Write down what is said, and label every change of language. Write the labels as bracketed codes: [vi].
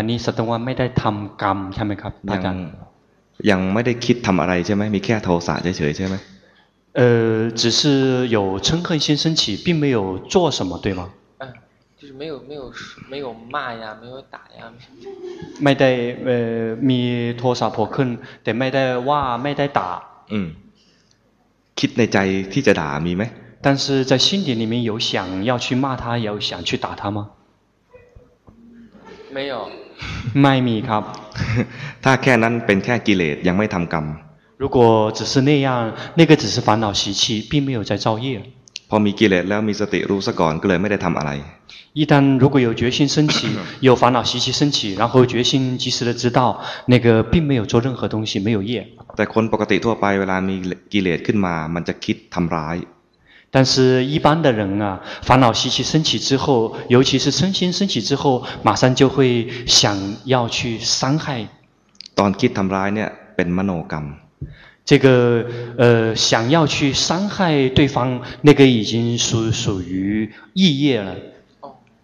[th] นนี้สัตว์ว่าไม่ได้ทำกรรมใช่ไหมครับอาจารย์ ยังไม่ได้คิดทำอะไรใช่ไหมมีแค่โทสะเฉยๆใช่ไหม [zh] 只是有嗔恨心升起并没有做什么对吗就是没有骂呀没有打呀 [th] ไม่ได้มีโทสะโผล่ขึ้นแต่ไม่ได้ว่าไม่ได้ด่า คิดในใจที่จะด่ามีไหม [zh] 但是在心底里面有想要去骂他有想去打他吗没有 [th] ไม่มีครับ ถ้าแค่นั้นเป็นแค่กิเลสยังไม่ทำกรรม [zh] 如果只是那样那个只是烦恼习气并没有在造业 [th] พอมีกิเลสแล้วมีสติรู้ซะก่อนก็เลยไม่ได้ทำอะไร [zh] 一旦如果有决心升起有烦恼习气升起然后决心及时的知道那个并没有做任何东西没有业 [th] แต่คนปกติทั่วไปเวลามีกิเลสขึ้นมามันจะคิดทำร้าย [zh] 但是一般的人啊烦恼习气升起之后尤其是嗔心升起之后马上就会想要去伤害 [th] ตอนคิดทำร้ายเนี่ยเป็นมโนกรรม [zh] 这个想要去伤害对方那个已经属于意业了哦